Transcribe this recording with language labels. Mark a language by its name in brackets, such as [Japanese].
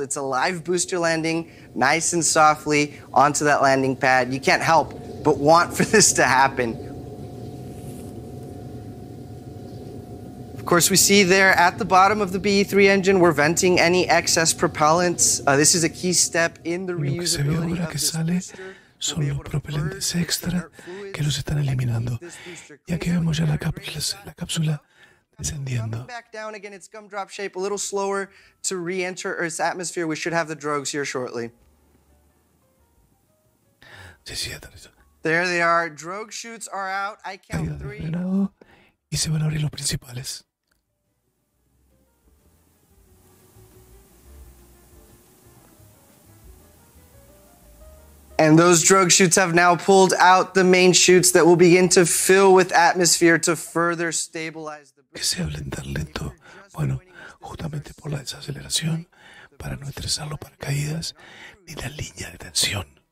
[English] It's a live booster landing, nice and softly onto that landing pad. You can't help but want for this to happen. Of course, we see there at the bottom of the BE-3 engine, we're venting any excess propellants. This is a key step in the reusability of this booster. [Spanish] Son los propelentes extra que los están eliminando. Y aquí vemos ya la cápsula descendiendo. [English] Coming back down again, it's gumdrop shape, a little slower to re-enter Earth's atmosphere. We should have the drogues here shortly. There they are. Drogue chutes are out. I count three. [Spanish] Y se van a abrir los principales. [English] And those drogue chutes have now pulled out the main chutes that will begin to fill with atmosphere to further stabilize the [Spanish] booster. Que se hablen tan lento. Bueno, justamente por la desaceleración, para no estresar los paracaídas, ni la línea de tensión.